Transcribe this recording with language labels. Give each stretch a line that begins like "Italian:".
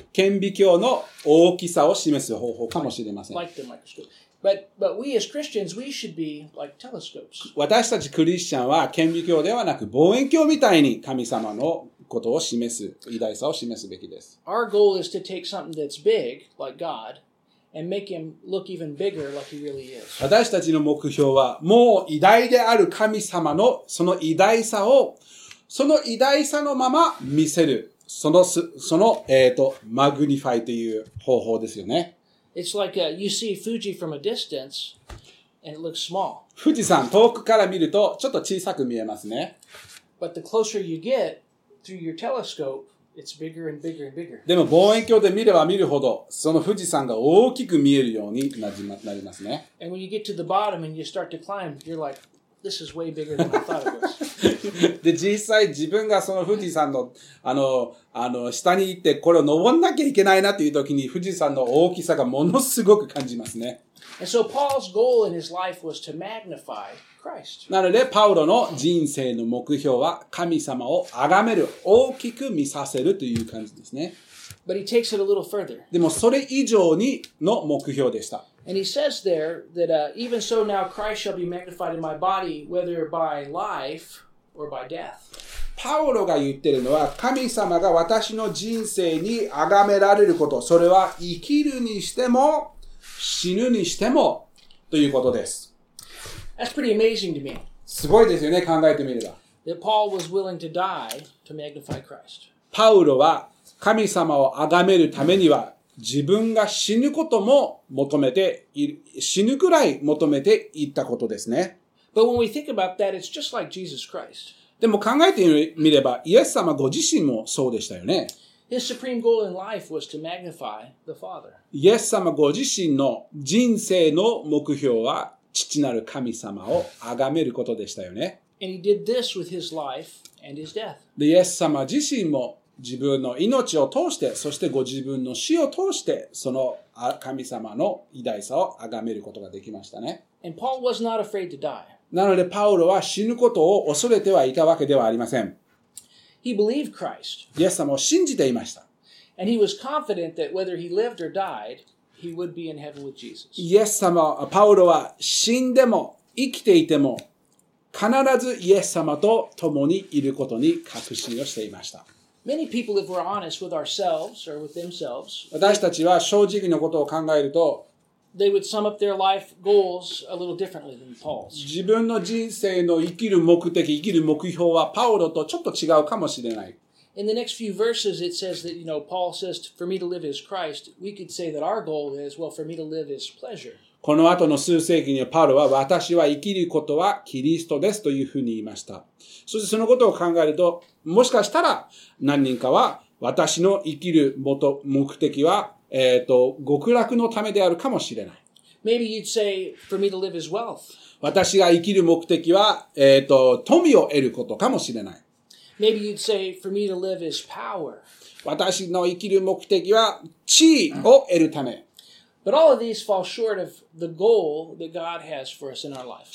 Japanese: 顕微鏡の大きさを示す方法かもしれません。
English: Like the microscope. But we as Christians, we should be like telescopes.
Japanese: 私たちクリスチャンは顕微鏡ではなく望遠鏡みたいに神様のことを示す、偉大さを示すべきです。
English: Our goal is to take something that's big, like God, and make him look even bigger like he really is.
Japanese: 私たちの目標はもう偉大である神様のその偉大さを、その偉大さのまま見せる。その、マグニファイという方法ですよね。
English: It's like a, you see Fuji from a distance, and it looks small.
Japanese: 富士山遠くから見るとちょっと小さく見えますね。
English: But the closer you get through your telescope, it's bigger and bigger and bigger.
Japanese: でも望遠鏡で見れば見るほどその富士山が大きく見えるようになりますね。
English: And when you get to the bottom and you start to climb, you're like, this is way bigger than I thought it was.
Japanese: で実際自分がその富士山の下に行ってこれを登んなきゃいけないなという時に富士山の大きさがものすごく感じますね。
English: And so Paul's goal in his life was to magnify Christ.
Japanese: なのでパウロの人生の目標は神様を崇める、大きく見させるという感じですね。
English: But he takes it a little further.
Japanese: でもそれ以上にの目標でした。
English: And he says there that even so now Christ shall be magnified in my body, whether by life or by death.
Japanese: パウロが言ってるのは、神様が私の人生に崇められること、それは生きるにしても、死ぬにしても、ということです。
English: That's pretty amazing to me.
Japanese: すごいですよね、考えてみれば。
English: That Paul was willing to die to magnify Christ.
Japanese: パウロは神様を崇めるためには、自分が死ぬことも求めて、死ぬくらい求めていったことですね。
English: But when we think about that, it's just like Jesus Christ.
Japanese: でも考えてみれば、イエス様ご自身もそうでしたよね。
English: His supreme goal in life was to magnify the Father.
Japanese: イエス様ご自身の人生の目標は、父なる神様を崇めることでしたよね。
English: And he did this with his life and his death.
Japanese: で、イエス様自身も自分の命を通して、そしてご自分の死を通して、その神様の偉大さを崇めることができましたね。
English: And Paul was not afraid to die.
Japanese: なので、パウロは死ぬことを恐れてはいたわけではありません。
English: He believed Christ.
Japanese: イエス様を信じていました。
English: And he was confident that whether he lived or died, he would be in heaven with Jesus.
Japanese: イエス様、パウロは死んでも生きていても、必ずイエス様と共にいることに確信をしていました。
English: Many people, if we're honest with ourselves or with themselves,
Japanese: 私たちは正直のことを考えると、
English: they would sum up their life goals a little differently than Paul's.
Japanese: 自分の人生の生きる目的、生きる目標はパウロとちょっと違うかもしれない。
English: In the next few verses, it says that, you know, Paul says, for me to live is Christ. We could say that our goal is, well, for me to live is pleasure.
Japanese: この後の数世紀にパウロは、私は生きることはキリストですというふうに言いました。そしてそのことを考えると、もしかしたら何人かは、私の生きる目的は、極楽のためであるかもしれない。
English: Maybe you'd say, for me to live is wealth.
Japanese: 私が生きる目的は、富を得ることかもしれない。
English: Maybe you'd say, for me to live is power.
Japanese: 私の生きる目的は、地位を得るため。
English: But all of these fall short of the goal that God has for us in our life.